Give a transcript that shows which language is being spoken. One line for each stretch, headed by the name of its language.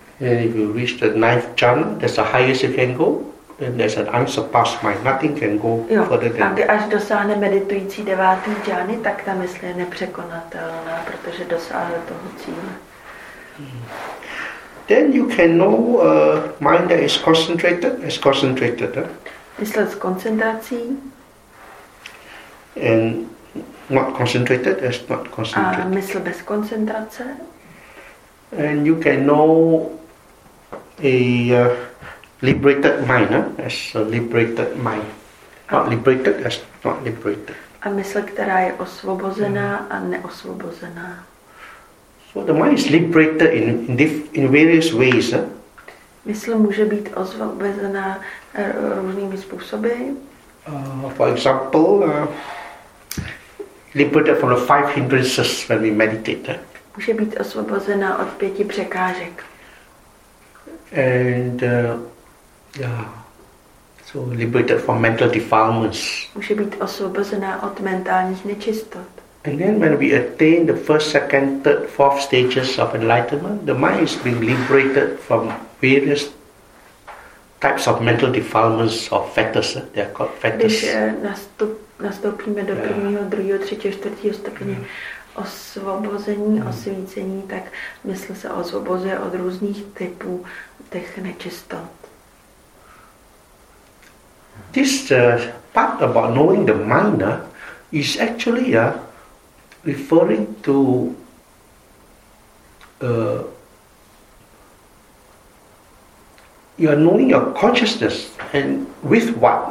English: And if you reach the ninth jhana, that's the highest you can go, then there's an unsurpassed mind. Nothing can go further than that.
Czech: Až dosáhne meditující devátý jhany, tak ta mysl je nepřekonatelná, protože dosáhne toho cíle.
English: Then you can know a mind that is concentrated, as concentrated.
Czech: Mysl s koncentrací.
English: And not concentrated, as not concentrated.
Czech: A mysl bez koncentrace.
English: And you can know a liberated mind, as a liberated mind. Not liberated, as not liberated.
Czech: A mysl, která je osvobozená a neosvobozená.
English: So the mind is liberated in various ways.
Czech: Mysl může být osvobozená různými způsoby.
English: For example, liberated from the five hindrances when we meditate.
Czech: Může být osvobozená od pěti překážek.
English: And so liberated from mental defilements.
Czech: Může být osvobozená od mentálních nečistot.
English: And then when we attain the first, second, third, fourth stages of enlightenment, the mind is being liberated from various types of mental defilements or fetters. They are called fetters.
Czech: Nastoupíme do prvního, druhého, třetího, čtvrtého stupně osvobození, osvícení, tak mysl se osvobozuje od různých typů těch nečistot.
English: This part about knowing the mind is actually referring to you are knowing your consciousness and with what?